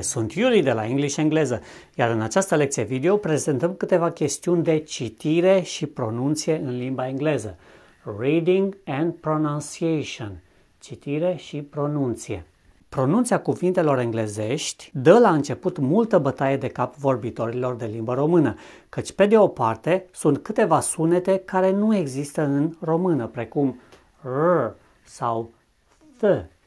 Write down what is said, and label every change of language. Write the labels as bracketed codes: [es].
[ro] Sunt Yuri de la English Engleză, iar în această lecție video prezentăm câteva chestiuni de citire și pronunție în limba engleză. [en] Reading and pronunciation. [ro] Citire și pronunție. Pronunția cuvintelor englezești dă la început multă bătaie de cap vorbitorilor de limbă română, căci pe de o parte sunt câteva sunete care nu există în română, precum r sau th.